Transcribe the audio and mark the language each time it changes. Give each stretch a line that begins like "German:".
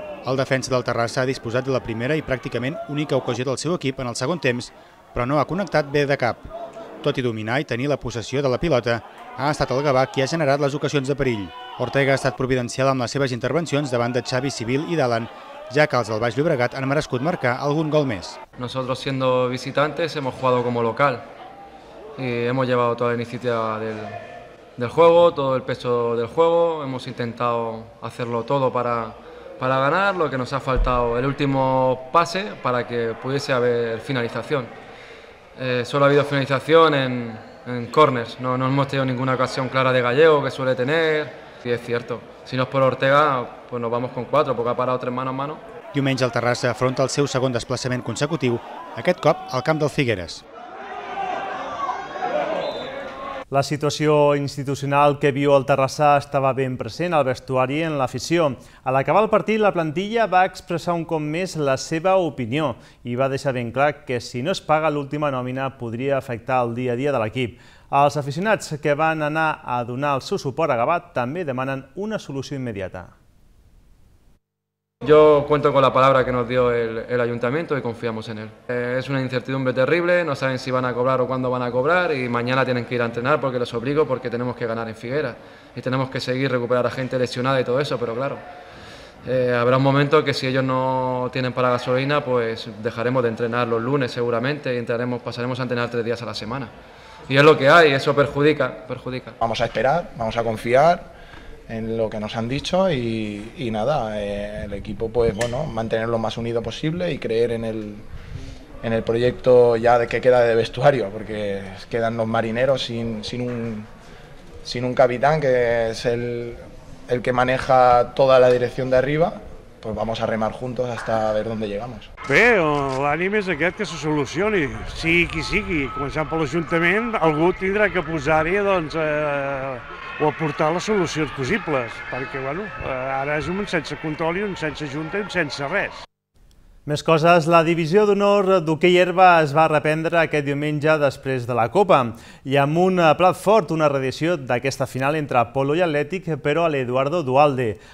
Catalan: El defensa del Terrassa ha disposat de la primera i pràcticament única ocasió del seu equip en el segon temps, però no ha connectat bé de cap. Tot i dominar i tenir la possessió de la pilota, ha estat el Gavà qui ha generat les ocasions de perill. Ortega ha estat providencial amb les seves intervencions davant de Xavi, Civil i d'Alan, ja que els del Baix Llobregat han merescut marcar algun gol més.
Spanish: Nosotros siendo visitantes hemos jugado como local y hemos llevado toda la iniciativa del juego, todo el peso del juego, hemos intentado hacerlo todo para ganar, lo que nos ha faltado el último pase para que pudiese haber finalización. Solo ha habido finalización en corners, no hemos tenido ninguna ocasión clara de Gallego que suele tener, y es cierto, si no es por Ortega, pues nos vamos con cuatro, porque ha parado tres mano a mano.
Catalan: Diumenge el Terrassa afronta el seu segon desplaçament consecutiu, aquest cop al camp del Figueres. La situació institucional que viu el Terrassa estava ben present al vestuari i en l'afició. A l'acabar el partit, la plantilla va expressar un cop més la seva opinió i va deixar ben clar que si no es paga l'última nòmina podria afectar el dia a dia de l'equip. Els aficionats que van anar a donar el seu suport a Gavà també demanen una solució immediata.
Spanish: Yo cuento con la palabra que nos dio el ayuntamiento y confiamos en él. Es una incertidumbre terrible, no saben si van a cobrar o cuándo van a cobrar y mañana tienen que ir a entrenar porque los obligo, porque tenemos que ganar en Figueras y tenemos que seguir recuperar a gente lesionada y todo eso, pero claro, habrá un momento que si ellos no tienen para gasolina, pues dejaremos de entrenar los lunes seguramente y pasaremos a entrenar tres días a la semana. Y es lo que hay, eso perjudica. Vamos a esperar, vamos a confiar en lo que nos han dicho y nada, el equipo pues bueno, mantener lo más unido posible y creer en el proyecto ya de que queda de vestuario, porque quedan los marineros sin un capitán que es el que maneja toda la dirección de arriba, pues vamos a remar juntos hasta ver dónde llegamos.
Catalan: Bé, l'ànima és aquest que se solucioni, sigui qui sigui, començant per l'Ajuntament, algú tindrà que posar-hi doncs o aportar les solucions possibles, perquè bueno, ara és un sense control i un sense junta i un sense res. Més coses, la divisió d'honor d'hoquei herba es va reprendre aquest diumenge després de la Copa i amb un plat fort, una reedició d'aquesta final entre Polo i Atlètic, però a l'Eduardo Dualde.